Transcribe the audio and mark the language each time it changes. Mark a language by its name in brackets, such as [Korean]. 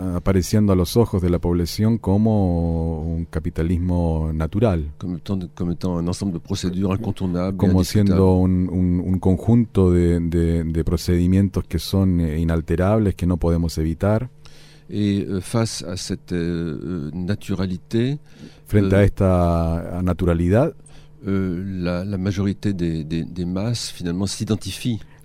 [Spanish] Apareciendo a los ojos de la población como un capitalismo natural. [French] Comme étant un ensemble de procédures incontournables. [Spanish] Como siendo un conjunto de procedimientos que son inalterables, que no podemos evitar. [French] Et face à cette naturalité, [Spanish] frente a esta naturalidad, [French] la majorité des masses finalement s'identifie.